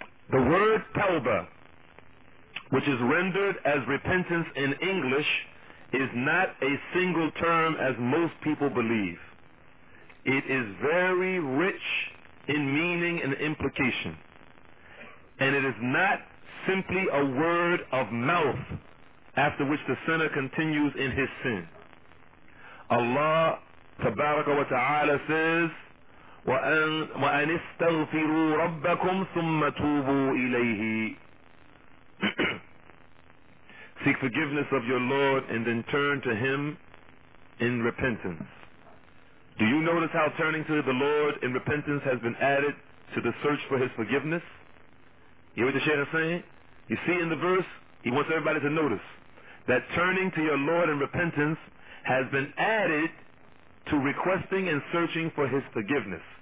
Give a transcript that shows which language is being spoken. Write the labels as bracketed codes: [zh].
[en] The word tawba, which is rendered as repentance in English, is not a single term as most people believe. It is very rich in meaning and implication. And it is not simply a word of mouth after which the sinner continues in his sin. Allah tabaraka wa ta'ala says, [ar] وَأَنْ اسْتَغْفِرُوا رَبَّكُمْ ثُمَّ تُوبُوا إِلَيْهِ. [en] Seek forgiveness of your Lord and then turn to Him in repentance. Do you notice how turning to the Lord in repentance has been added to the search for His forgiveness? You hear what the Shaykh is saying? You see in the verse, he wants everybody to notice that turning to your Lord in repentance has been added to requesting and searching for His forgiveness.